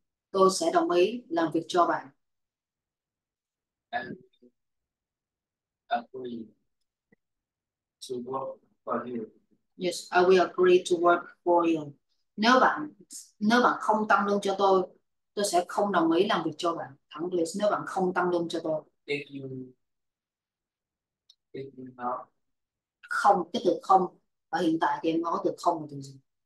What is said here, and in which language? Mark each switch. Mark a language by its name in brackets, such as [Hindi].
[Vietnamese] Tôi sẽ đồng ý làm việc cho bạn. [English] my salary and agree to work for you. Yes, I will agree to work for you. [Vietnamese] Nếu bạn không tăng lương cho tôi sẽ không đồng ý làm việc cho bạn. Thẳng please, nếu bạn không tăng lương cho tôi. [English] If [Vietnamese] Không, cái từ không ở hiện tại thì em có từ không là từ gì?